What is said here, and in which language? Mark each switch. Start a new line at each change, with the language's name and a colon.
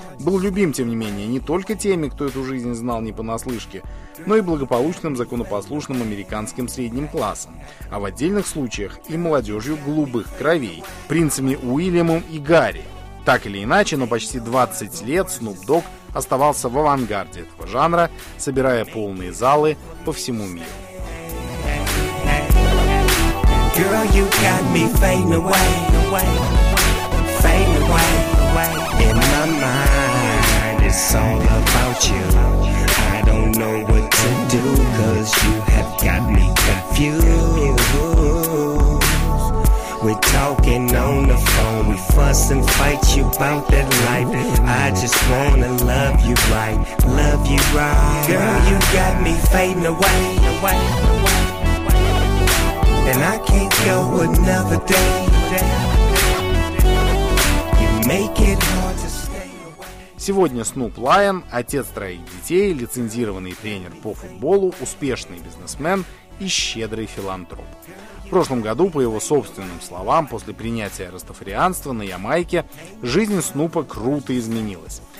Russian: Был любим, тем не менее, не только теми, кто эту жизнь знал не понаслышке, но и благополучным, законопослушным американским средним классом, а в отдельных случаях и молодежью голубых кровей, принцами Уильямом и Гарри. Так или иначе, но почти 20 лет Snoop Dogg оставался в авангарде этого жанра, собирая полные залы по всему миру.
English: Girl, you got me fading away, away, fading away, away. In my mind, it's all about you. I don't know what to do, 'cause you have got me confused. We're talking on the phone, we fuss and fight you about that life. I just wanna love you right, love you right. Girl, you got me fading away, away. And I can't go another day. You make it hard to stay away.
Russian: Сегодня Снуп Лайон, отец троих детей, лицензированный тренер по футболу, успешный бизнесмен и щедрый филантроп. В прошлом году, по его собственным словам, после принятия растафарианства на Ямайке, жизнь Снупа круто изменилась.